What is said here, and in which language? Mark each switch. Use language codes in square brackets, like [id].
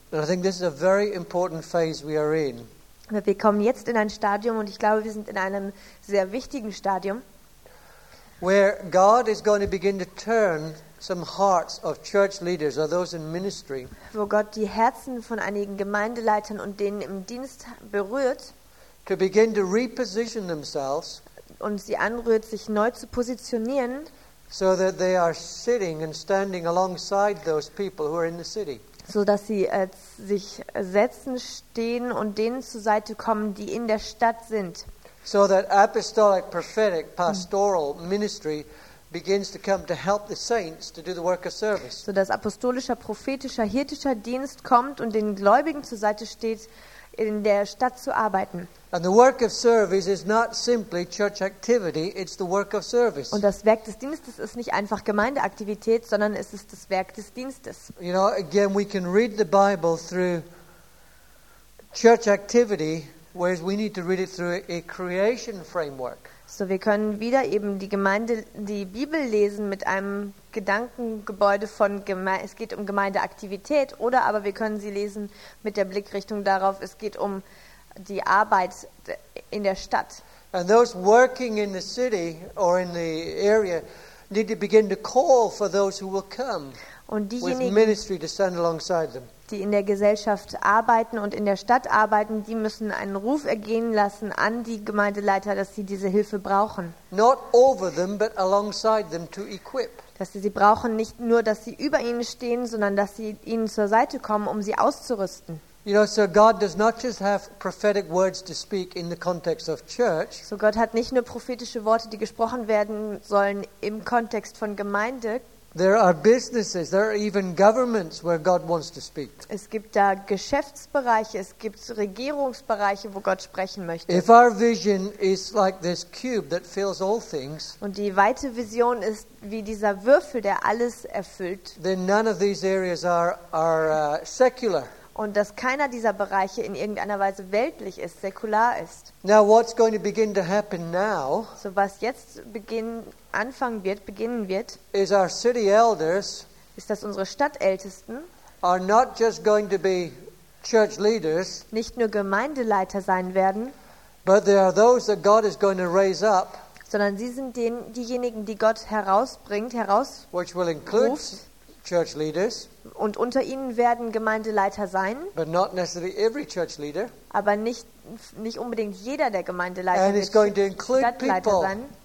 [en] And I think this is a very important phase we are in. [de] Wir kommen jetzt in ein Stadium, und ich glaube, wir sind in einem sehr wichtigen Stadium, [en] where God is going to begin to turn some hearts of church leaders or those in ministry. [de] Wo Gott die Herzen von einigen Gemeindeleitern und denen im Dienst berührt, [en] to begin to reposition themselves, [de] und sie anrührt, sich neu zu positionieren, [en] so that they are sitting and standing alongside those people who are in the city. [de] So dass sie sich setzen, stehen und denen zur Seite kommen, die in der Stadt sind. [en] So that apostolic, prophetic, pastoral ministry begins to come to help the saints to do the work of service. [de] So dass apostolischer, prophetischer, hirtischer Dienst kommt und den Gläubigen zur Seite steht, in der Stadt zu arbeiten. [en] And the work of service is not simply church activity, it's the work of service. [de] Und das Werk des Dienstes ist nicht einfach Gemeindeaktivität, sondern es ist das Werk des Dienstes. [en] You know, again, we can read the Bible through church activity, whereas we need to read it through a creation framework. [de] So wir können wieder eben die Bibel lesen mit einem Gedankengebäude von es geht um Gemeindeaktivität, oder aber wir können sie lesen mit der Blickrichtung darauf, es geht um die Arbeit in der Stadt. [en] And those working in the city or in the area need to begin to call for those who will come. [de] Und diejenigen, [en] with ministry to stand alongside them. [de] Die in der Gesellschaft arbeiten und in der Stadt arbeiten, die müssen einen Ruf ergehen lassen an die Gemeindeleiter, dass sie diese Hilfe brauchen. [en] Not over them, but alongside them to equip. [de] Dass sie brauchen nicht nur, dass sie über ihnen stehen, sondern dass sie ihnen zur Seite kommen, um sie auszurüsten. [en] You know, so God does not just have prophetic words to speak in the context of church. [de] So Gott hat nicht nur prophetische Worte, die gesprochen werden sollen im Kontext von Gemeinde. [en] There are businesses, there are even governments where God wants to speak. [de] Es gibt da Geschäftsbereiche, es gibt Regierungsbereiche, wo Gott sprechen möchte. [en] If our vision is like this cube that fills all things, [de] und die weite Vision ist wie dieser Würfel, der alles erfüllt, [en] then none of these areas are secular. [de] Und dass keiner dieser Bereiche in irgendeiner Weise weltlich ist, säkular ist. [en] Now what's going to begin to happen now, [de] so was jetzt beginnen wird, [en] is our city elders, [de] ist, dass unsere Stadtältesten [en] are not just going to be church leaders, [de] nicht nur Gemeindeleiter sein werden, [en] but they are those that God is going to raise up, [de] sondern sie sind diejenigen, die Gott herausbringt, herausruft. [en] Which will include church leaders, [de] und unter ihnen werden Gemeindeleiter sein, [en] but not necessarily every church leader, [de] aber nicht unbedingt jeder der Gemeindeleiter wird Stadtleiter sein.